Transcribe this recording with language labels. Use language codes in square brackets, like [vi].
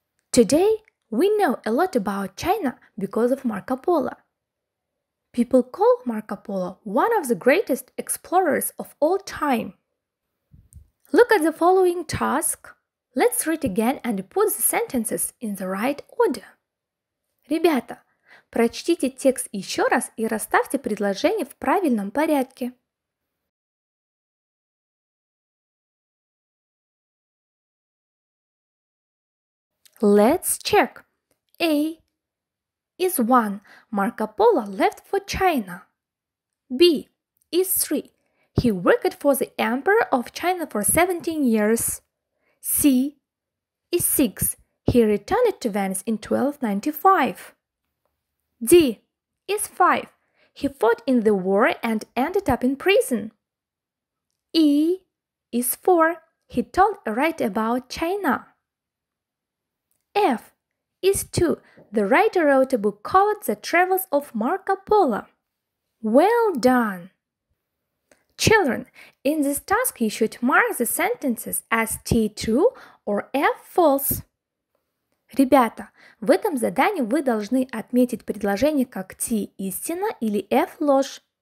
[en] Today, we know a lot about China because of Marco Polo. People call Marco Polo one of the greatest explorers of all time. Look at the following task. Let's read again and put the sentences in the right order. [ru] Ребята, прочтите текст еще раз и расставьте предложения в правильном порядке. [en] Let's check. A is 1. Marco Polo left for China. B is 3. He worked for the Emperor of China for 17 years. C is 6. He returned to Venice in 1295. D is 5. He fought in the war and ended up in prison. E is 4. He told a writer about China. F is 2. The writer wrote a book called The Travels of Marco Polo. Well done! Children, in this task you should mark the sentences as T-true or F-false. [ru] Ребята, в этом задании вы должны отметить предложение как T-истина или F-ложь.